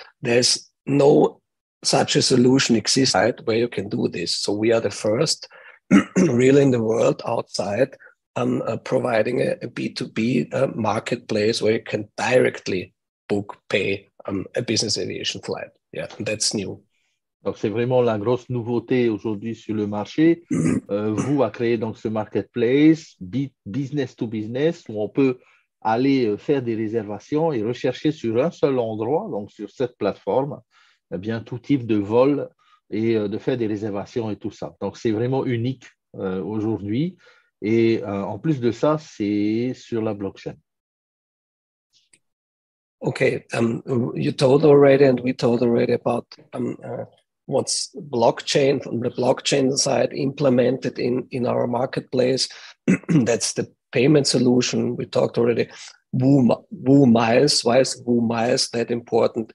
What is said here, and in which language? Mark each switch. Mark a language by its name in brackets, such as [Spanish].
[English] There's no such a solution exists, right, where you can do this. So we are the first really in the world outside providing a B2B marketplace where you can directly book, pay a business aviation flight. Yeah, that's new. [French] Donc, c'est vraiment la grosse nouveauté aujourd'hui sur le marché. Vous a créé donc ce marketplace business to business où on peut aller faire des réservations et rechercher sur un seul endroit, donc sur cette plateforme, eh bien tout type de vol et de faire des réservations et tout ça. Donc, c'est vraiment unique aujourd'hui. Et en plus de ça, c'est sur la blockchain. [English] Okay, you told already, and we told already about what's blockchain from the blockchain side implemented in our marketplace. That's the payment solution we talked already. Woo Miles, why is Woo Miles that important?